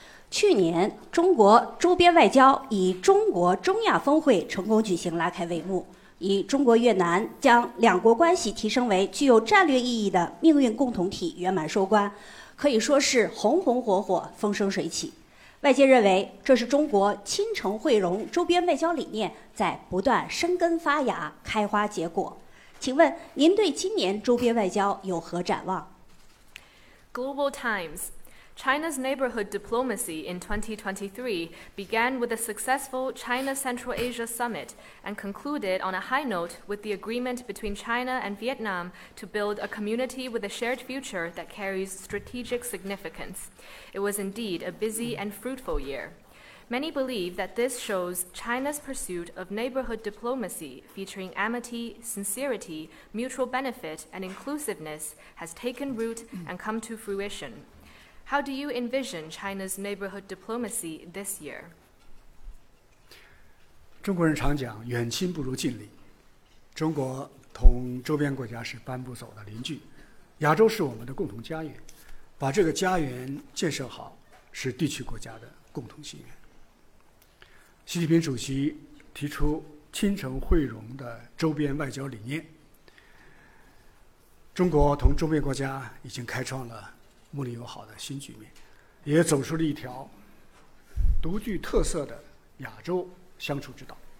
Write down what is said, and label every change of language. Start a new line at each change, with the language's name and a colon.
Chinese: 去年中国周边外交以中国中亚峰会成功举行拉开帷幕，以中国越南将两国关系提升为具有战略意义的命运共同体圆满收官，可以说是红红火火，风生水起。外界认为这是中国亲诚惠容周边外交理念在不断生根发芽开花结果。请问您对今年周边外交有何展望？
English: Global Times: China's neighborhood diplomacy in 2023 began with a successful China-Central Asia summit and concluded on a high note with the agreement between China and Vietnam to build a community with a shared future that carries strategic significance. It was indeed a busy and fruitful year. Many believe that this shows China's pursuit of neighborhood diplomacy featuring amity, sincerity, mutual benefit, and inclusiveness has taken root and come to fruition. How do you envision China's neighborhood diplomacy this year?
Chinese: 中国人常讲远亲不如近邻，中国同周边国家是搬不走的邻居，亚洲是我们的共同家园，把这个家园建设好是地区国家的共同心愿。习近平主席提出亲诚惠容的周边外交理念，中国同周边国家已经开创了睦邻友好的新局面，也走出了一条独具特色的亚洲相处之道。